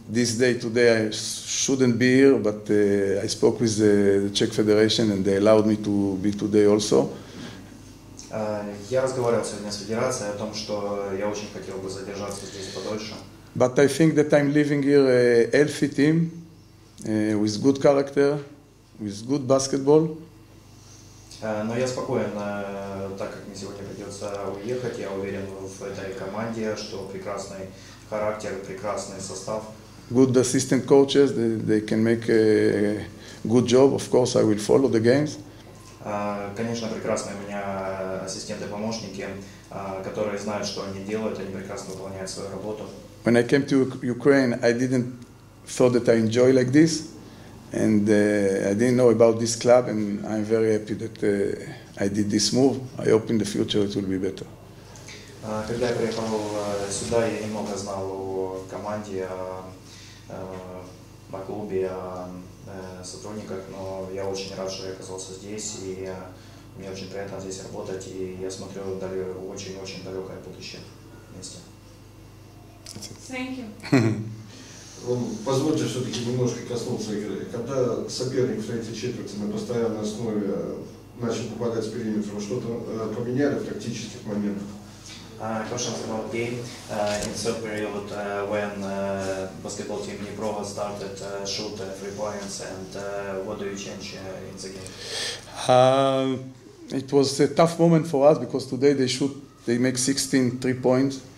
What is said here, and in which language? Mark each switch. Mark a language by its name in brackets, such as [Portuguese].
[English] this day today I shouldn't be here, but I spoke with the Czech Federation and they allowed me to be today also. [Russian] Я разговаривал сегодня с федерацией о том, что я очень хотел бы задержаться здесь подольше. [English] But I think that I'm leaving here a healthy team, with good character, with good basketball. [Russian] Но я спокоен, так как мне сегодня придется уехать. Я уверен в этой команде, что прекрасный характер, прекрасный состав. [English] Good assistant coaches, they can make a good job. Of course, I will follow the games. [Russian] Конечно, прекрасные у меня ассистенты-помощники, которые знают, что они делают, они прекрасно выполняют свою работу. [English] When I came to Ukraine, I didn't thought that I enjoy like this, and I didn't know about this club, and I'm very happy that I did this move. I hope in the future it will be better. [Russian] Когда я приехал сюда, я немного знал о команде, о клубе, о сотрудниках, но я очень рад, что я оказался здесь, и мне очень приятно здесь работать, и я смотрю далеко, очень-очень далекое будущее вместе. Спасибо. Позвольте все-таки немножко коснуться игры. Когда соперник в третьей четверти на постоянной основе начал попадать с периметра, что-то поменяли в тактических моментах? [English] Question about the game. In the third period, when basketball team Dnipro started shoot 3 points, and what do you change in the game? It was a tough moment for us because today they make 16 3 points.